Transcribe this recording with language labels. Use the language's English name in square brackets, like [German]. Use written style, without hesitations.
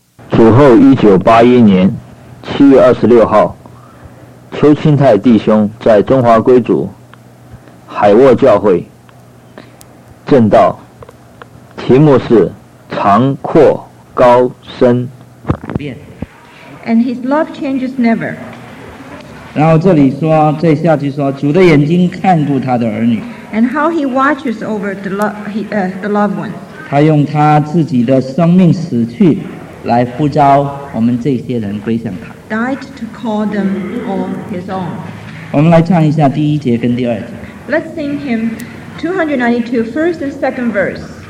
[Chinese] 主后1981年7月26号，邱清泰弟兄在中华归主海沃教会正道，题目是长阔高深。 [English] And his love changes never. [Chinese] 然后这里说，这下去说，主的眼睛看顾他的儿女。 [English] And how he watches over the loved one. [Chinese] 他用他自己的生命死去，来呼召我们这些人归向他。 [English] Died to call them all his own. [Chinese] 我们来唱一下第一节跟第二节。 [English] Let's sing hymn 292, first and second verse.